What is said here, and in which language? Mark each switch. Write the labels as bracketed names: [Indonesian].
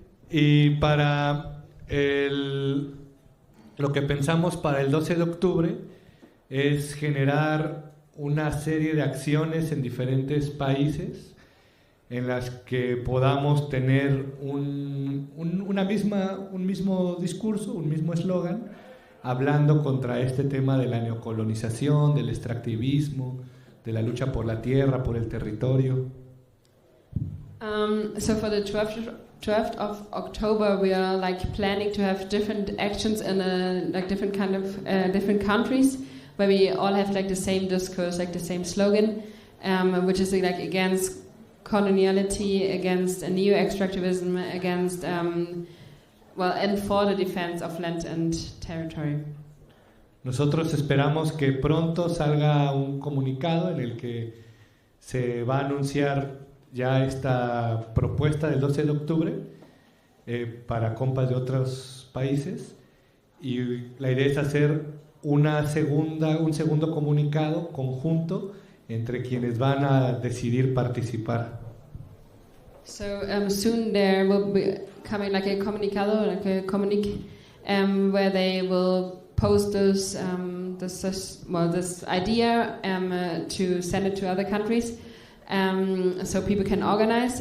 [Spanish] Y para lo que pensamos para el 12 de octubre es generar una serie de acciones en diferentes países en las que podamos tener un mismo discurso, un mismo eslogan, hablando contra este tema de la neocolonización, del extractivismo, de la lucha por la tierra, por el territorio. [English] So for the 12th of October, we are like planning to have different actions in different countries, where we all have like the same discourse, like the same slogan, which is like against coloniality, against a new extractivism, against and for the defense of land and territory. [Spanish] Nosotros esperamos que pronto salga un comunicado en el que se va a anunciar ya esta propuesta del 12 de octubre para compas de otros países, y la idea es hacer un segundo comunicado conjunto entre quienes van a decidir participar. [English] So soon there will be coming like a comunicado, like a communique, where they will post this idea to send it to other countries, so people can organize.